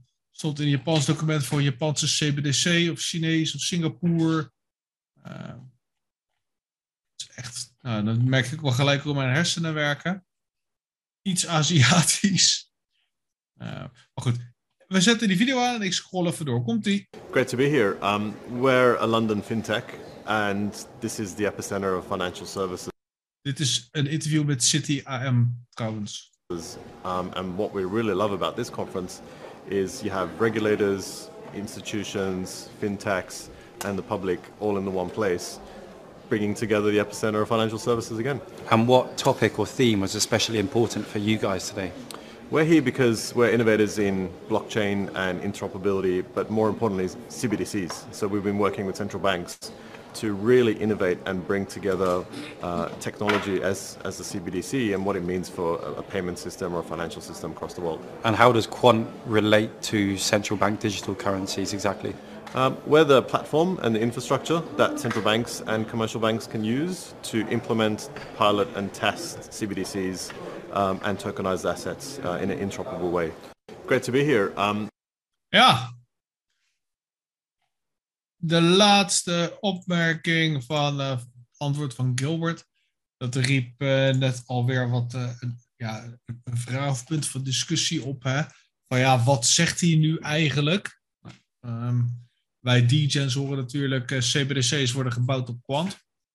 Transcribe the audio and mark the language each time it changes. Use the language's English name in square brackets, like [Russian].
[Dutch] Stond in een Japans document voor een Japanse CBDC of Chinees of Singapore. Dat merk ik wel gelijk hoe mijn hersenen werken. Iets Aziatisch. We zetten die video aan en ik scroll even door. Komt-ie. [English] Great to be here. We're a London fintech and this is the epicenter of financial services. [Dutch] Dit is een interview met City AM trouwens. [English] And what we really love about this conference is you have regulators, institutions, fintechs and the public all in the one place, bringing together the epicenter of financial services again. And what topic or theme was especially important for you guys today? We're here because we're innovators in blockchain and interoperability, but more importantly, CBDCs. So we've been working with central banks to really innovate and bring together technology as a CBDC and what it means for a payment system or a financial system across the world. And how does Quant relate to central bank digital currencies exactly? We're the platform and the infrastructure that central banks and commercial banks can use to implement, pilot and test CBDCs and tokenized assets in an interoperable way. Great to be here. [Dutch] Ja. De laatste opmerking van antwoord van Gilbert. Dat riep net alweer wat een vraagpunt van discussie op. Hè? Van ja, wat zegt hij nu eigenlijk? Wij DJ's horen natuurlijk CBDC's worden gebouwd op Quant.